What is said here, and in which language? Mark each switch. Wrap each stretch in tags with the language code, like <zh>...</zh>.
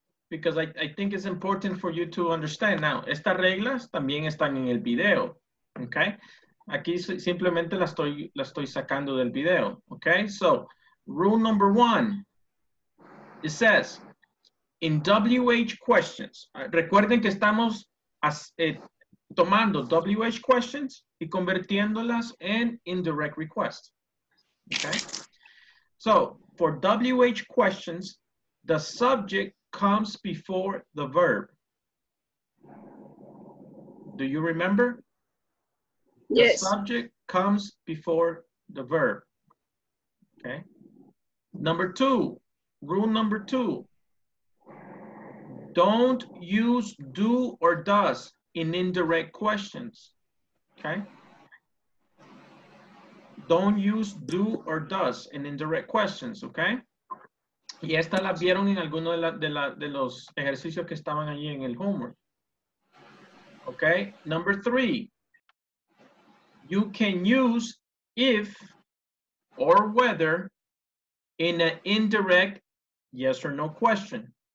<en>Because I think it's important for you to understand.</en> <es>Now, estas reglas también están en el video, okay? Aquí simplemente la estoy sacando del video, okay?</es> <en>So, rule number one, it says, in WH questions,</en> <es>recuerden que estamos tomando WH questions y convirtiéndolas en</es> <en>indirect requests, okay? So, for WH questions, the subject comes before the verb. Do you remember? Yes. The subject comes before the verb. Okay. Number two, rule number two. Don't use do or does in indirect questions. Okay. Don't use do or does in indirect questions. Okay.</en> <es>Y estas las vieron en alguno de los ejercicios que estaban allí en el homework.</es> <en>Okay, number three. You can use if or whether in an indirect yes or no question.</en>